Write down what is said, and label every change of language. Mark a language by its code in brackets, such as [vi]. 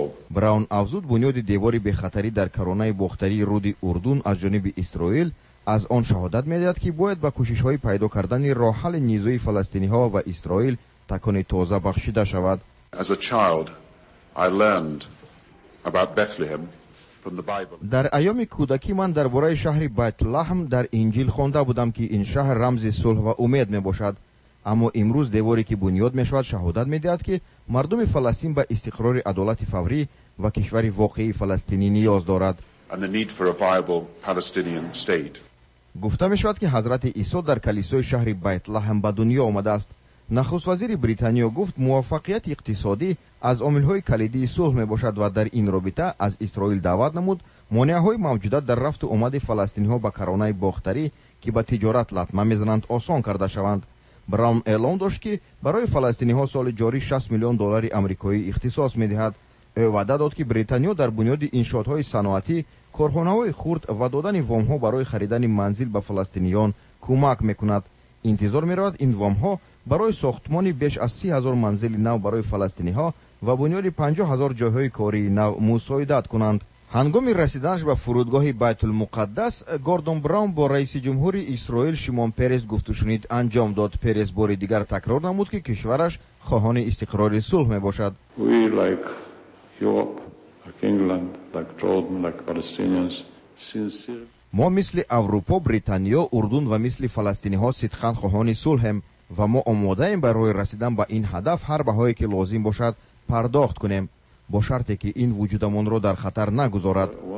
[fa] براون افزود بنیاد دیوار بی خطری در کرانه بختری رود اردن از جانب اسرائیل از آن شهادت می دهد که باید با کوشش های پیدا کردن راه حل نزاع فلسطینی ها و اسرائیل تکانی تازه بخشیده شود. [en] As a child, I learned about Bethlehem from the Bible. [fa] در ایام کودکی من درباره شهر بیت لحم در انجیل خوانده بودم که این شهر رمز صلح و امید می باشد. اما امروز دیواری که بنیاد می شود شهادت می دهد که مردم فلسطین به استقرار عدالت فوری و کشور واقعی فلسطینی نیاز دارد. [en] And the need for a viable Palestinian state. [fa] گفته می شود که حضرت عیسی در کلیسای شهر بیت لحم به دنیا آمده است. نخست وزیر بریتانیا گفت موفقیت اقتصادی از عامل‌های کلیدی صلح میباشد و در این رابطه از اسرائیل دعوت نمود مانع‌های موجود در رفت و آمد فلسطینی‌ها به کرانه باختری که به تجارت لطمه می‌زنند آسان کرده شوند. براون اعلام داشت که برای فلسطینی‌ها سال جاری 60 میلیون دلار آمریکایی اختصاص می‌دهد. او وعده داد که بریتانیا در بنیاد انشاءات‌های صنعتی، کارخانه‌های خرد و دادن وام‌ها برای خریدن منزل به فلسطینیان کمک می‌کند. انتظار می‌رود این وام‌ها برای ساختمان بیش از 30,000 منزل نو برای فلسطینی ها و بنیاد 50,000 جای کاری نو مساعدت کنند. هنگام رسیدنش به فرودگاه بیت المقدس، گوردون براون با رئیس جمهوری اسرائیل شیمون پرس گفتگوشنید انجام داد. پرس بار دیگر تکرار نمود که کشورش خواهان استقرار صلح می باشد. [en] We like Europe, like England, like Jordan, like Palestinians, sincere. [fa] ما مثل اروپا، بریتانیا، اردن و مثل فلسطینی ها صدقاً خواهان صلح هم. و ما آماده ایم برای رسیدن به این هدف هر بهایی که لازم باشد پرداخت کنیم، با شرطی که این وجودمون رو در خطر نگذارد.